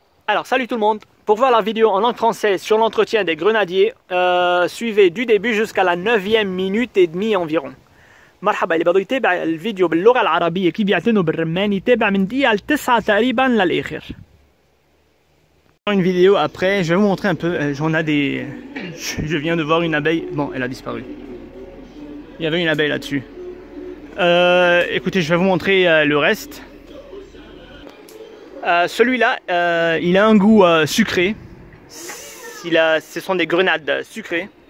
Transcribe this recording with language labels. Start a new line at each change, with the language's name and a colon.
French: Alors, salut tout le monde. Pour voir la vidéo en langue française sur l'entretien des grenadiers, suivez du début jusqu'à la 9e minute et demie environ.
Arabic: مرحبا اللي بدو يتابع الفيديو باللغة العربية كي بيعتنوا بالرمان يتابع من دقيقة 9 تقريبا للآخر.
French: Une vidéo après, je vais vous montrer un peu. J'en ai des. Je viens de voir une abeille. Bon, elle a disparu. Il y avait une abeille là-dessus. Écoutez, je vais vous montrer le reste. Celui-là, il a un goût sucré. Ce sont des grenades sucrées.